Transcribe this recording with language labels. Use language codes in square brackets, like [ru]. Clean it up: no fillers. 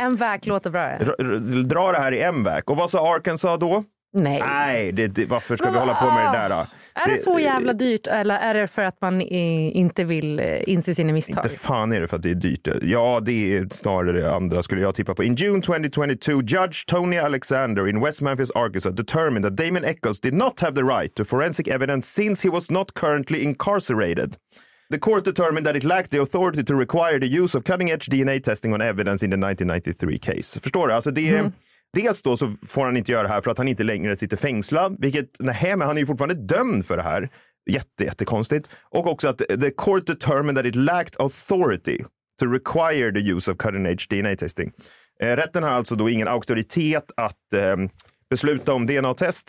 [sv] MVAC låter bra. Dra det här i MVAC. Och vad sa Arkansas då? Nej. Nej, varför ska vi hålla på med det där då? Är det så jävla dyrt, eller är det för att man inte vill inse sina misstag? Inte fan är det för att det är dyrt. Ja, det är snarare det andra skulle jag tippa på. [en] In June 2022, Judge Tony Alexander in West Memphis, Arkansas determined that Damien Eccles did not have the right to forensic evidence since he was not currently incarcerated. The court determined that it lacked the authority to require the use of cutting-edge DNA testing on evidence in the 1993 case. [sv] Förstår du? Alltså det är, dels då så får han inte göra det här för att han inte längre sitter fängslad. Vilket, nej, men han är ju fortfarande dömd för det här. Jättekonstigt. Och också att [en] the court determined that it lacked authority to require the use of cutting-edge DNA testing. [sv] Rätten har alltså då ingen auktoritet att besluta om DNA-test.